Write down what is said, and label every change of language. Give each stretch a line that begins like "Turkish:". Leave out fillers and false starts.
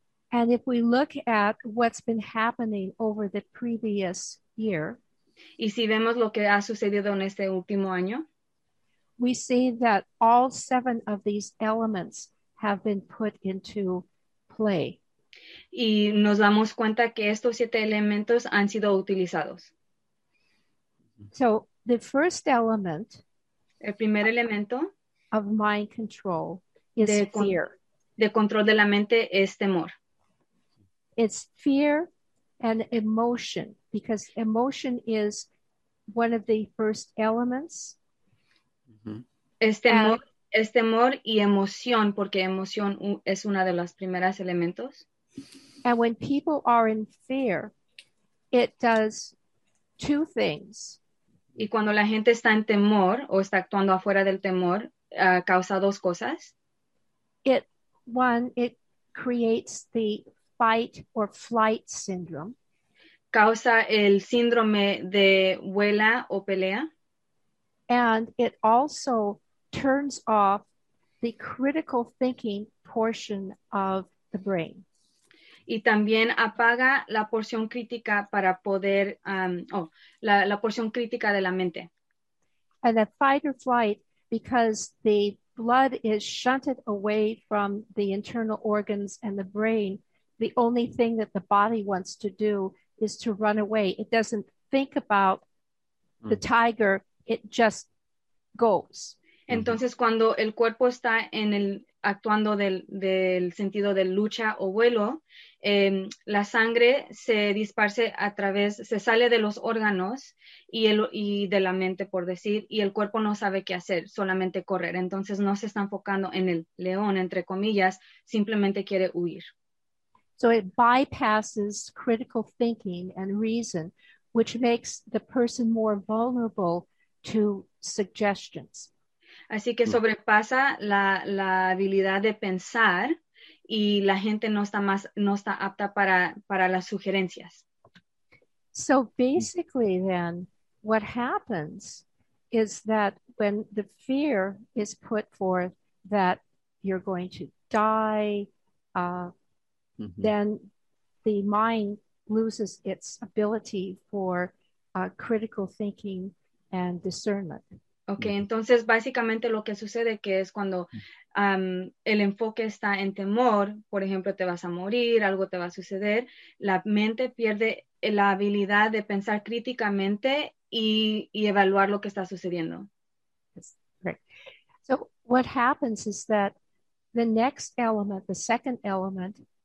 English: And if we look at what's been happening over the previous year.
Spanish: Y si vemos lo que ha sucedido en este último año.
English: We see that all seven of these elements have been put into play.
Spanish: Y nos damos cuenta que estos siete elementos han sido utilizados.
English: So the first element,
Spanish: el primer elemento,
English: of mind control is fear.
Spanish: De control de la mente es temor.
English: It's fear and emotion, because emotion is one of the first elements.
Spanish: Es temor y emoción, porque emoción es una de las primeras elementos.
English: And when people are in fear, it does two things.
Spanish: Y cuando la gente está en temor o está actuando afuera del temor, causa dos cosas.
English: It creates the fight or flight syndrome.
Spanish: Causa el síndrome de huela o pelea.
English: And it also turns off the critical thinking portion of the brain.
Spanish: Y también apaga la porción crítica para poder, la porción crítica de la mente.
English: And the fight or flight, because the blood is shunted away from the internal organs and the brain, the only thing that the body wants to do is to run away. It doesn't think about the tiger, it just goes.
Spanish: Entonces, cuando el cuerpo está en el actuando del sentido de lucha o vuelo, la sangre se disparce a través, se sale de los órganos y de la mente, por decir, y el cuerpo no sabe qué hacer, solamente correr. Entonces, no se está enfocando en el león, entre comillas, simplemente quiere huir.
English: So it bypasses critical thinking and reason, which makes the person more vulnerable to suggestions.
Spanish: Así que sobrepasa la habilidad de pensar y la gente no está apta para las sugerencias.
English: So basically then, what happens is that when the fear is put forth that you're going to die, then the mind loses its ability for critical thinking and discernment.
Spanish: Okay, entonces básicamente lo que sucede que es cuando el enfoque está en temor, por ejemplo, te vas a morir, algo te va a suceder, la mente pierde la habilidad de pensar críticamente y evaluar lo que está sucediendo.
English: Yes, great. So what happens is that the next element, the second element,